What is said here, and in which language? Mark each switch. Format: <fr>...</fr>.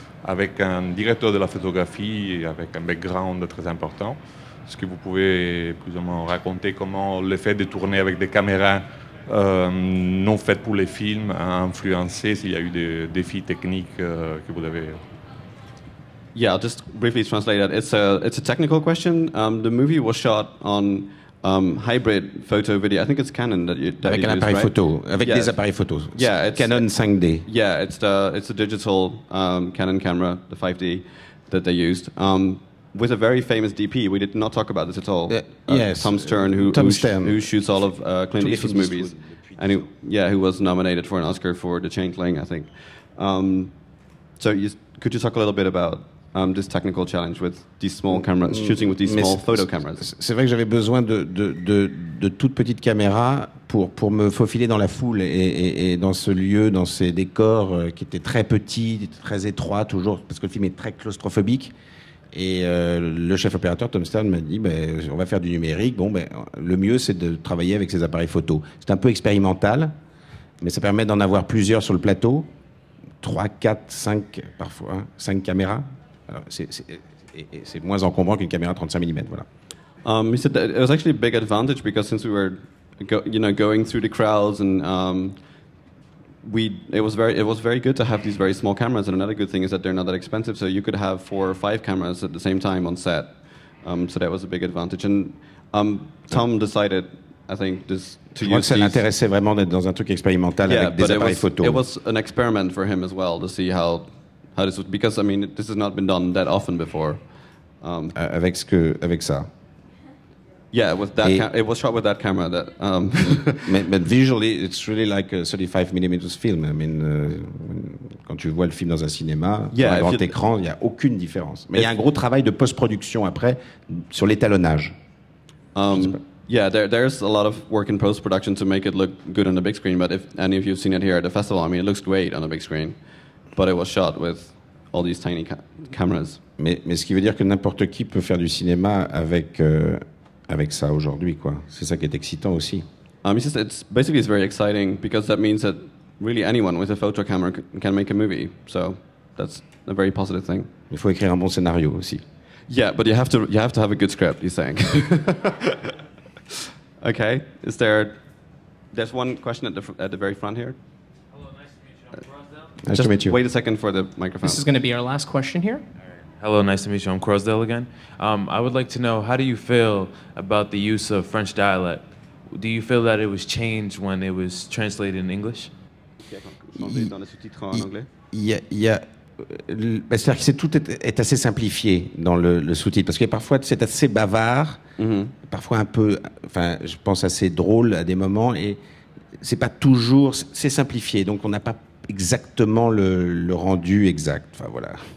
<fr>Avec un directeur de la photographie, avec un background très important. Est-ce que vous pouvez plus ou moins raconter comment le fait de tourner avec des caméras non faites pour les films a influencé, s'il y a eu des défis techniques que vous avez?</fr> <en>Yeah, I'll just briefly translate that. It's a technical question. The movie was shot on hybrid photo video. I think it's Canon</en> <fr>Des appareils photo.</fr> <en>Yeah, it's Canon 5D. Yeah, it's a digital Canon camera, the 5D that they used. With a very famous DP. We did not talk about this at all. Tom Stern, who shoots all of Clint Eastwood's movies. And who was nominated for an Oscar for The Changeling, I think. Could you talk a little bit about this technical challenge with these small cameras, shooting with these small photo cameras.</en> <fr>C'est vrai que j'avais besoin de toutes petites caméras pour me faufiler dans la foule et dans ce lieu, dans ces décors qui étaient très petits, très étroits, toujours, parce que le film est très claustrophobique. Et le chef opérateur, Tom Stern, m'a dit, on va faire du numérique. Bon, le mieux, c'est de travailler avec ces appareils photo. C'est un peu expérimental, mais ça permet d'en avoir plusieurs sur le plateau. 3, 4, 5, parfois, 5 caméras. C'est moins encombrant qu'une caméra 35 mm, voilà.</fr> <en>He said that it was actually a big advantage because since we were going through the crowds, and it was very good to have these very small cameras. And another good thing is that they're not that expensive, so you could have four or five cameras at the same time on set. So that was a big advantage. And Tom decided, I think, this.</en> <fr>Ça l'intéressait vraiment d'être dans un truc expérimental avec des appareils photo.</fr> <en>It was an experiment for him as well to see how this was, because I mean this has not been done that often before.</en> <fr>Avec ça.</fr> <en>Yeah, with that. It was shot with that camera. That. but visually, it's really like a 35mm film. I mean,</en> <fr>quand tu vois le film dans un cinéma, sur un grand écran, il y a aucune différence. Mais il y a un gros travail de post-production après sur l'étalonnage.</fr> <en>Yeah, there's a lot of work in post-production to make it look good on the big screen. But if any of you have seen it here at the festival, I mean, it looks great on the big screen. But it was shot with all these tiny cameras.</en> <fr>Mais ce qui veut dire que n'importe qui peut faire du cinéma avec ça aujourd'hui, quoi. C'est ça qui est excitant aussi.</fr> <en>It's very exciting because that means that really anyone with a photo camera can make a movie. So that's a very positive thing.</en> <fr>Il faut écrire un bon scénario aussi.</fr> <en>Yeah, but you have to have a good script, you think. Okay, there's one question at the very front here. Hello, nice to meet you. I'm Crosdale. Nice to meet you. Wait a second for the microphone. This is going to be our last question here. Hello, nice to meet you. I'm Crosdale again. I would like to know, how do you feel about the use of French dialect? Do you feel that it was changed when it was translated in English?</en> <fr>C'est-à-dire que tout est assez simplifié dans le sous-titre, parce que parfois c'est assez bavard, parfois un peu, enfin je pense assez drôle à des moments, et c'est pas toujours, c'est simplifié, donc on n'a pas exactement le rendu exact, enfin voilà.</fr>